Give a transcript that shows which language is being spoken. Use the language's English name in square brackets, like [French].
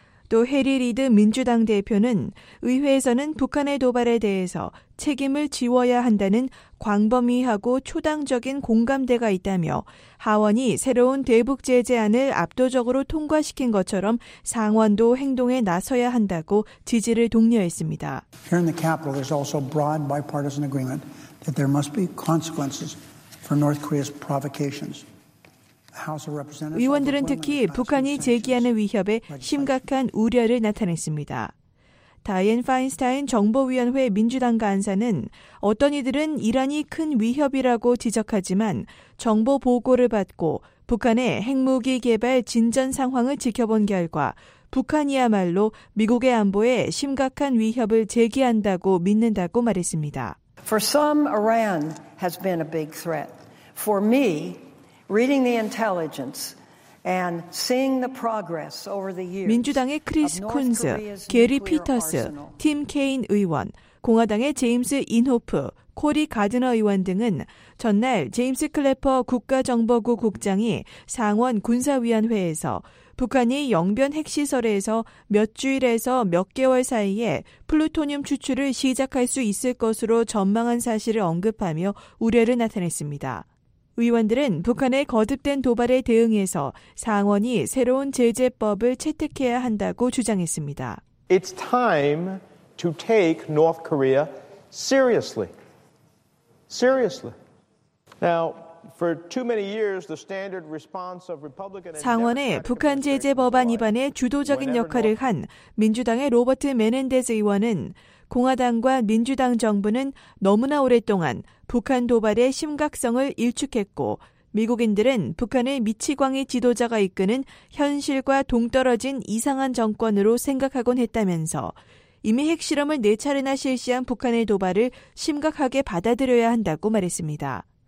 [Korean] 또 해리 리드 민주당 대표는 의회에서는 북한의 도발에 대해서 책임을 지워야 한다는 광범위하고 초당적인 공감대가 있다며 하원이 새로운 대북 제재안을 압도적으로 통과시킨 것처럼 상원도 행동에 나서야 한다고 지지를 독려했습니다. [English] Here in the capital, there's also broad bipartisan agreement that there must be consequences for North Korea's provocations. [Korean] 의원들은 특히 북한이 제기하는 위협에 심각한 우려를 나타냈습니다. 다이앤 파인스타인 정보위원회 민주당 간사는 어떤 이들은 이란이 큰 위협이라고 지적하지만 정보 보고를 받고 북한의 핵무기 개발 진전 상황을 지켜본 결과 북한이야말로 미국의 안보에 심각한 위협을 제기한다고 믿는다고 말했습니다. [English] For some, Iran has been a big threat. For me, reading the intelligence and seeing the progress over the years. [Korean] 민주당의 크리스 쿤즈, 게리 피터스, 팀 케인 의원, 공화당의 제임스 인호프, 코리 가드너 의원 등은 전날 제임스 클래퍼 국가정보국 국장이 상원 군사위원회에서 북한이 영변 핵시설에서 몇 주일에서 몇 개월 사이에 플루토늄 추출을 시작할 수 있을 것으로 전망한 사실을 언급하며 우려를 나타냈습니다. 의원들은 북한의 거듭된 도발에 대응해서 상원이 새로운 제재법을 채택해야 한다고 주장했습니다. [English] It's time to take North Korea seriously. Seriously. Now, for too many years, the standard response of Republican [Korean] 상원의 북한 제재 법안 위반에 주도적인 역할을 한 민주당의 로버트 메넨데즈 의원은 공화당과 민주당 정부는 너무나 오랫동안 북한 도발의 심각성을 일축했고 미국인들은 북한의 미치광이 지도자가 이끄는 현실과 동떨어진 이상한 정권으로 생각하곤 했다면서 이미 핵실험을 네 차례나 실시한 북한의 도발을 심각하게 받아들여야 한다고 말했습니다.